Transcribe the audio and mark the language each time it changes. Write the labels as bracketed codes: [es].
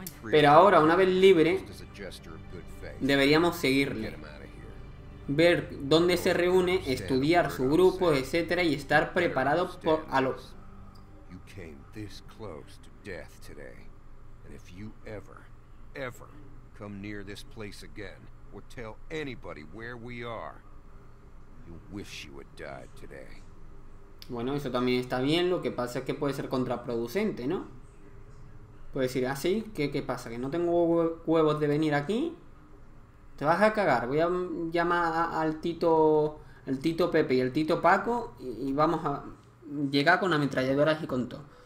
[es] Pero ahora, una vez libre, deberíamos seguirle. Ver dónde se reúne, estudiar su grupo, etcétera, y estar preparado por a los. [en] You came this close to death today. And if you ever come near this place again or tell anybody where we are, you wish you had died today. [es] Bueno, eso también está bien, lo que pasa es que puede ser contraproducente, ¿no? Puede decir, ah, sí, ¿qué pasa? ¿Que no tengo huevos de venir aquí? Te vas a cagar, voy a llamar al Tito, el Tito Pepe y el Tito Paco y vamos a llegar con ametralladoras y con todo.